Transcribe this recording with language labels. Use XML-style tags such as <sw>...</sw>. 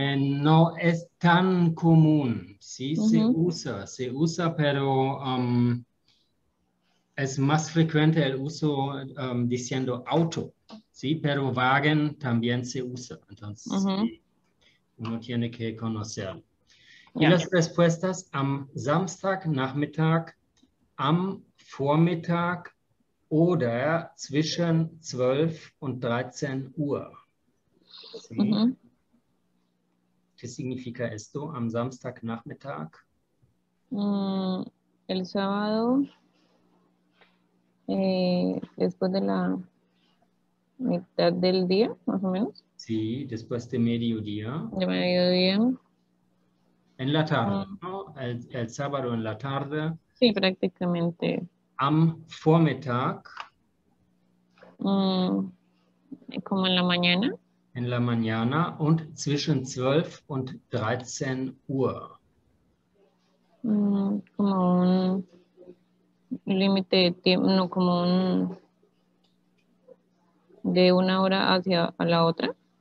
<es>No es tan común. Sí, se usa, pero es más frecuente el uso diciendo auto. Sí, pero Wagen también se usa. Entonces, sí, uno tiene que conocer. Y las respuestas:</es> <de>am Samstag Nachmittag, am Vormittag oder zwischen 12 und 13 Uhr.</de> <es>¿Qué significa esto?</es> <de>Am Samstag Nachmittag.</de> <es>El sábado después de la mitad del día, más o menos. Sí, después de mediodía. De mediodía. En la tarde, ¿no? El sábado en la tarde. Sí, prácticamente.</es> <de>Am Vormittag.</de> <es>Como en la mañana. En la mañana</es> <de>und zwischen 12 und 13 Uhr.</de> <es>Como un límite de tiempo, no, como un de una hora hacia a la otra.</es>